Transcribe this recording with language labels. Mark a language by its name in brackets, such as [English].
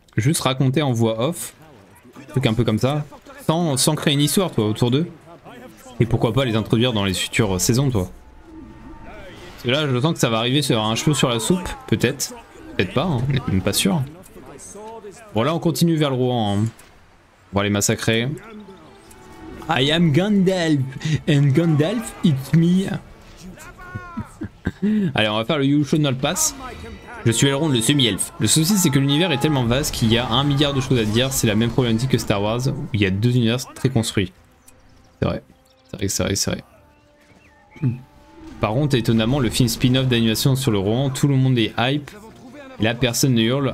[French] Juste raconter en voix off, truc un peu comme ça, sans créer une histoire, toi, autour d'eux. Et pourquoi pas les introduire dans les futures saisons, toi. Parce que là, je sens que ça va arriver sur un cheveu sur la soupe, peut-être. Peut-être pas, hein. On n'est même pas sûr. Bon, là, on continue vers le Rouen. Hein. On va les massacrer. [English] I am Gandalf, and Gandalf, it's me. [French] Allez, on va faire le [English] You Should Not Pass. [French] Je suis Elrond, le semi-elfe. Le souci, c'est que l'univers est tellement vaste qu'il y a 1 milliard de choses à dire. C'est la même problématique que Star Wars, où il y a 2 univers très construits. C'est vrai. C'est vrai, c'est vrai, c'est vrai. Par contre, étonnamment, le film spin-off d'animation sur le Rouen, tout le monde est hype. Et là, personne ne hurle.